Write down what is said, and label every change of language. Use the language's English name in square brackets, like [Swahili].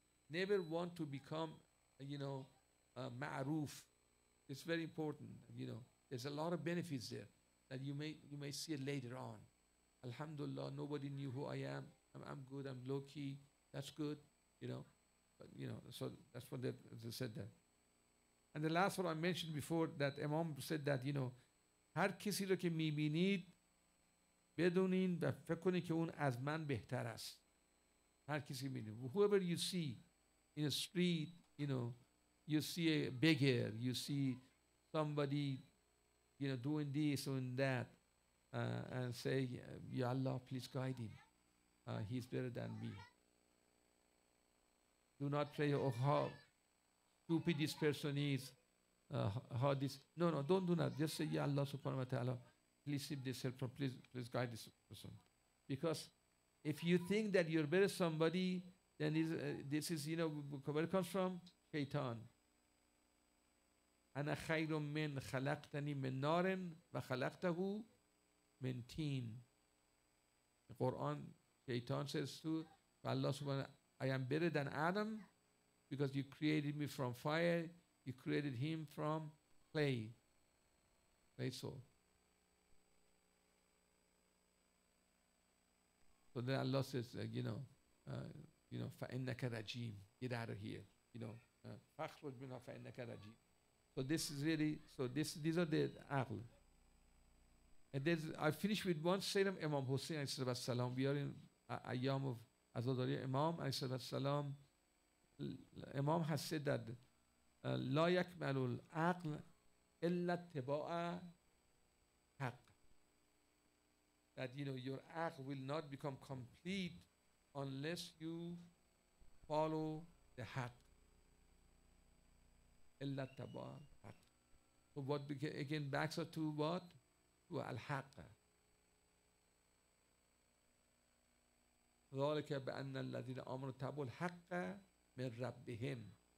[English] Never want to become, you know, ma'roof. It's very important, you know. There's a lot of benefits there that you may see it later on. Alhamdulillah, nobody knew who I am. I'm good, I'm low-key. That's good, you know. But, you know, so that's what they said there. And the last one I mentioned before, that Imam said that, you know, [Persian] هر کسی رو که می‌بینید بدونین و فکر کنین که اون از من بهتر است. هر کسی میبینه. [English] Whoever you see in a street, you know, you see a beggar, you see somebody, you know, doing this or that, and say, Ya Allah, please guide him. He's better than me. Do not pray, oh, how stupid this person is. How this? No, don't do that. Just say, Ya Allah, subhanahu wa ta'ala. Please save this help. Please guide this person. Because if you think that you're better than somebody, then this is, you know, where it comes from? Shaitan. [Arabic] أنا خير من خلقتني من نار وخلقته من تين. [English] The Quran, Shaitan says to Allah subhanahu wa ta'ala, I am better than Adam because you created me from fire. You created him from clay. Clay soul. So then Allah says, you know, [Arabic] فَإِنَّكَ رَجِيمٌ. [English] Get out of here. You know, [Arabic] فَخْرُجْ مِنْهَا فَإِنَّكَ رَجِيمٌ. [English] So this is really, these are the aql. And I finish with one salam, Imam Hussein, alayhi salam. We are in ayyam of Azadari. Imam, alayhi salam, Imam has said that [Arabic] لا يكمل العقل الا اتباع حق. [English] That you know your aql will not become complete unless you follow the haq. [Arabic] الا اتباع حق. [English] So what again backs up to what? To [Arabic] الحق. ذلك بان الذين امنوا اتبعوا الحق من ربهم.